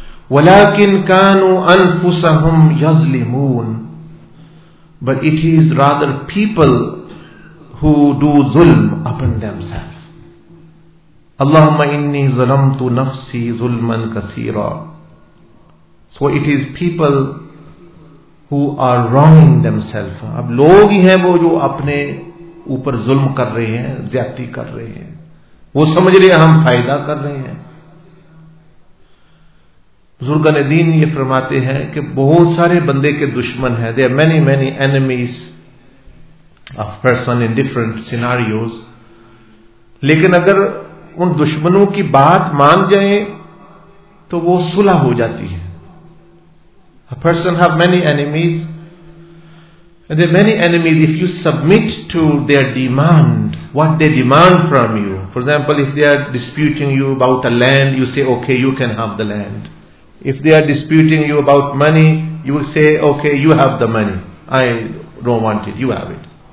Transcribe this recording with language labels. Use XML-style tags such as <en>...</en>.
<ar>ولكن كانوا انفسهم يظلمون.</ar> <en>But it is rather people who do ظلم upon themselves.</en> <ar>اللهم اني ظلمت نفسي ظلما كثيرا.</ar> <en>So it is people who are wronging themselves.</en> <ur>اب لوگ ہی ہیں وہ جو اپنے اوپر ظلم کر رہے ہیں, زیادتی کر رہے ہیں, وہ سمجھ رہے ہیں ہم فائدہ کر رہے ہیں. بزرگان دین یہ فرماتے ہیں کہ بہت سارے بندے کے دشمن ہیں,</ur> <en>there are many many enemies of person in different scenarios,</en> <ur>لیکن اگر ان دشمنوں کی بات مان جائیں تو وہ صلح ہو جاتی ہے.</ur> <en>A person have many enemies, and there are many enemies, if you submit to their demand, what they demand from you. For example, if they are disputing you about a land, you say, okay, you can have the land. If they are disputing you about money, you will say, okay, you have the money, I don't want it, you have it.</en>